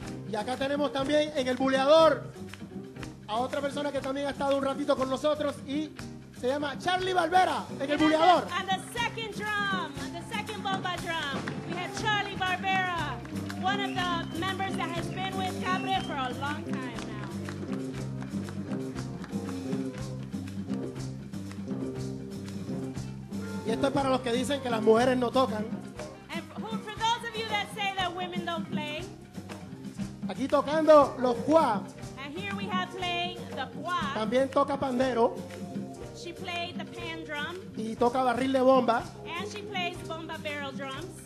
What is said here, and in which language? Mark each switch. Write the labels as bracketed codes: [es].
[es] Y acá tenemos también en el buleador a otra persona que también ha estado un ratito con nosotros y se llama Charlie Barbera en el buleador. [en] On the second drum, on the second bomba drum, we have Charlie Barbera, one of the members that has been with Cabre for a long time now. [es] Y esto es para los que dicen que las mujeres no tocan. [en] And for those of you that say that women don't play, [es] aquí tocando los cuá. [en] And here we have playing the cuá. [es] También toca pandero. [en] She played the pan drum. [es] Y toca barril de bomba. [en] And she plays bomba barrel drums.